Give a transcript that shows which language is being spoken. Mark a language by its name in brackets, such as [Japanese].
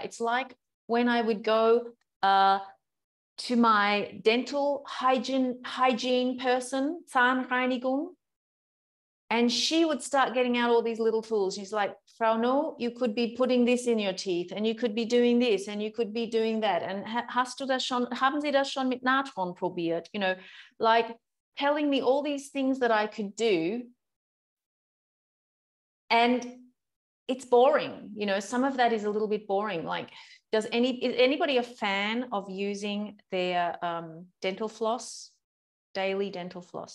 [English] It's like when I would go to my dental hygiene person, Zahnreinigung, and she would start getting out all these little tools. She's like, Frau No, you could be putting this in your teeth, and you could be doing this, and you could be doing that. [German] And hast du das schon, haben Sie das schon mit Natron probiert? [English] You know, like telling me all these things that I could do. And it's boring, you know, some of that is a little bit boring. Like, is anybody a fan of using their dental floss, daily dental floss?